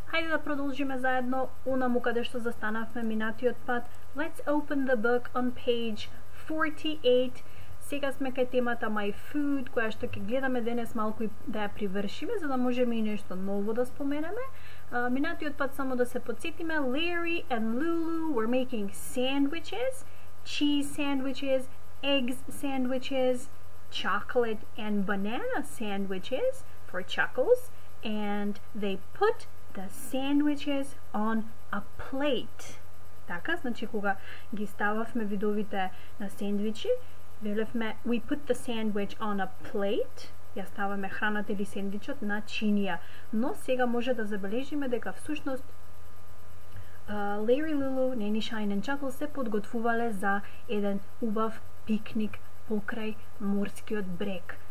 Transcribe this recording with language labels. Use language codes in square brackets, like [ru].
[mk] Хајде да продолжиме заедно унаму каде што застанавме минатиот пат. [en] Let's open the book on page 48. [mk] Сега сме кај темата My Food, која што ќе гледаме денес малку и да ја привршиме, за да можеме и нешто ново да споменеме. Минатиот пат само да се подсетиме, [en] Larry and Lulu were making sandwiches, cheese sandwiches, eggs sandwiches, chocolate and banana sandwiches for chuckles, and they put the sandwiches on a plate. [mk] Така, значи кога ги стававме видовите на сендвичи, велевме [en] we put the sandwich on a plate. [mk] Ја ставаме храната или сендвичот на чинија. Но сега може да забележиме дека всушност Larry, Lulu, Nanny Shine and Chuckles се подготвувале за еден убав пикник покрај морскиот брег.